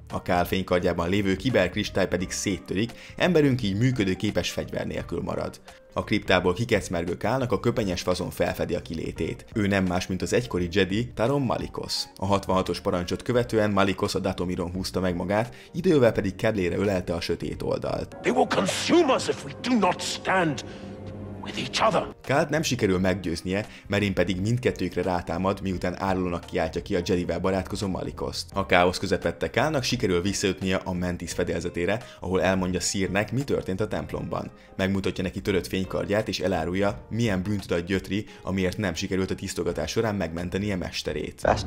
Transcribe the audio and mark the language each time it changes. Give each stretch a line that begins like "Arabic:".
Hungarian: A Cal fénykardjában lévő kiberkristály pedig széttörik, emberünk így működőképes fegyver nélkül marad. A kriptából kikecmergő Kálnak a köpenyes fazon felfedi a kilétét. Ő nem más, mint az egykori Jedi, Taron Malikos. A 66-os parancsot követően Malikos a Datomiron húzta meg magát, idővel pedig keblére ölelte a sötét oldalt.
English: They will consume us if we do not stand.
Hungarian: Cal nem sikerül meggyőznie, Merin pedig mindkettőjükre rátámad, miután árulónak kiáltja ki a Jedivel barátkozó Malikost. A káosz közepette Calnak sikerül visszajutnia a Mantis fedélzetére, ahol elmondja Szírnek, mi történt a templomban. Megmutatja neki törött fénykardját és elárulja, milyen bűntudat gyötri, amiért nem sikerült a tisztogatás során megmentenie mesterét.